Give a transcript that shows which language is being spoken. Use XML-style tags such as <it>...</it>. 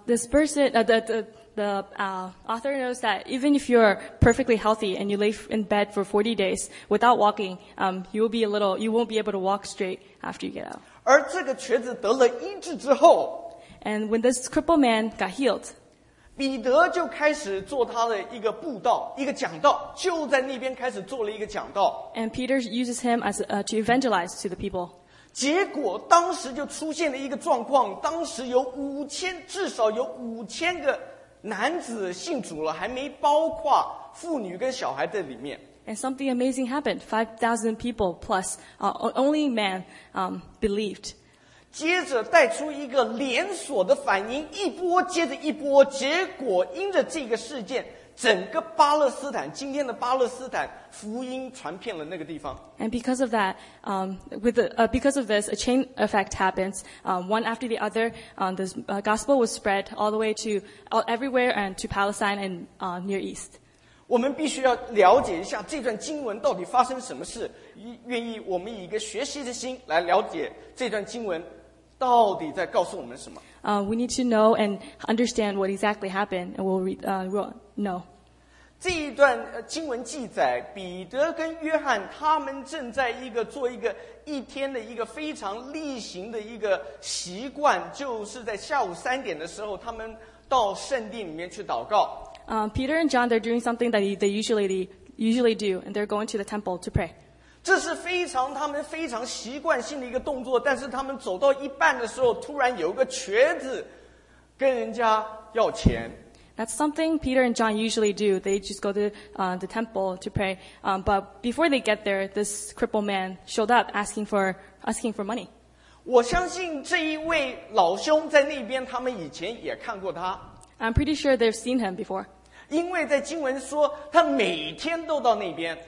<en>The author knows that even if you're perfectly healthy and you lay in bed for 40 days without walking, you won't be able to walk straight after you get out.</en> <zh>而这个瘸子得了医治之后</zh> <en>And when this crippled man got healed,</en> <zh>彼得就开始做他的一个布道，一个讲道，就在那边开始做了一个讲道。</zh> <en>And Peter uses him to evangelize to the people.</en> <zh>结果当时就出现了一个状况，当时有至少有五千个男子信主了，还没包括妇女跟小孩在里面。</zh> <en>And something amazing happened. 5,000 people plus, only men, believed.</en> <zh>接着带出一个连锁的反应，一波接着一波，结果因着这个事件。整个巴勒斯坦，今天的巴勒斯坦，福音传遍了那个地方。</zh> <en>And because of that, because of this, a chain effect happens. One after the other, gospel was spread all the way to everywhere and to Palestine and Near East.</en> <zh>我们必须要了解一下这段经文到底发生什么事。愿意我们以一个学习的心来了解这段经文到底在告诉我们什么。</zh> <en>We need to know and understand what exactly happened, and we'll read. No.</en> <zh>这一段经文记载，彼得跟约翰他们正在一个做一个一天的一个非常例行的一个习惯，就是在下午3点的时候，他们到圣殿里面去祷告。</zh> <en>Peter and John, they're doing something that they usually do, and they're going to the temple to pray.</en> <zh>这是非常他们非常习惯性的一个动作，但是他们走到一半的时候，突然有一个瘸子跟人家要钱。</zh> <en>That's something Peter and John usually do. They just go to the temple to pray. But before they get there, this crippled man showed up asking for money.</en> <zh>我相信这一位老兄在那边，他们以前也看过他。</zh> <en>I'm pretty sure they've seen him before.</en> <zh>因为在经文说他每天都到那边。</zh>